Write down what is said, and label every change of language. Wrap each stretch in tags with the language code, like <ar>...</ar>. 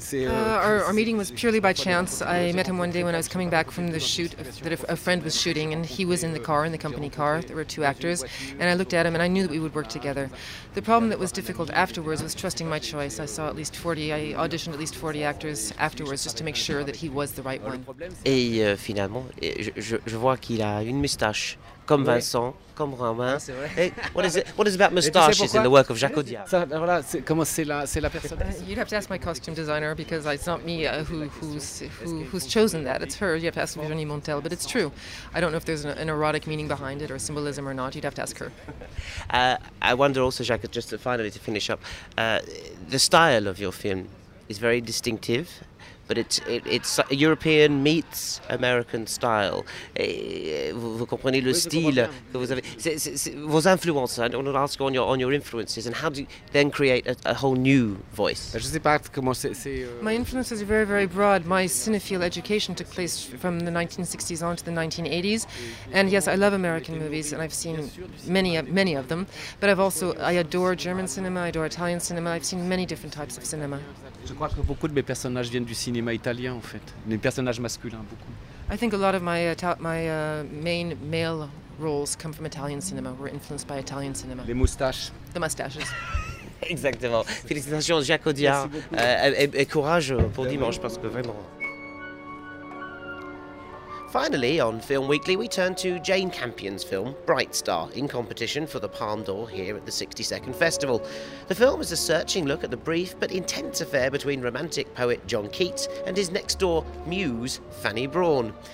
<en>Our meeting was purely by chance. I met him one day when I was coming back from the shoot that a friend was shooting, and he was in the car, in the company car. There were two actors. And I looked at him, and I knew that we would work together. The problem that was difficult afterwards was trusting my choice. I auditioned at least 40 actors afterwards just to make sure that he was the right one.</en> <fr>Et finalement, je vois qu'il a une moustache comme Vincent, comme Romain. Ah, c'est vrai.</fr> <en>Hey, what is about moustaches in the work of Jacques Audiard?</en> <fr>Voilà, c'est la personne.</fr> <en>You'd have to ask my costume designer because it's not me who's chosen that. It's her. You have to ask Virginie Montel, but it's true. I don't know if there's an erotic meaning behind it or symbolism or not. You'd have to ask her. I wonder also, Jacques, just finally to finish up, the style of your film is very distinctive. But it's European meets American style.</en> <fr>Vous comprenez le style que vous avez. Vos influences.</fr> <en>I want to ask on your influences and how do you then create a whole new voice.</en> <fr>Je sais pas comment c'est.</fr> <en>My influences are very, very broad. My cinephile education took place from the 1960s on to the 1980s, and yes, I love American movies and I've seen many of them. But I adore German cinema. I adore Italian cinema. I've seen many different types of cinema.</en> <fr>Je crois que beaucoup de mes personnages viennent du cinéma italien, en fait. Des personnages masculins, beaucoup.</fr> <en>I think a lot of my main male roles come from Italian cinema, were influenced by Italian cinema.</en> <fr>Les moustaches.</fr> <en>The moustaches.</en> <fr>Exactement. Félicitations, Jacques Audiard. Et courage pour dimanche, parce que vraiment...</fr> <en>Finally, on Film Weekly, we turn to Jane Campion's film, Bright Star, in competition for the Palme d'Or here at the 62nd Festival. The film is a searching look at the brief but intense affair between romantic poet John Keats and his next-door muse, Fanny Brawne.</en>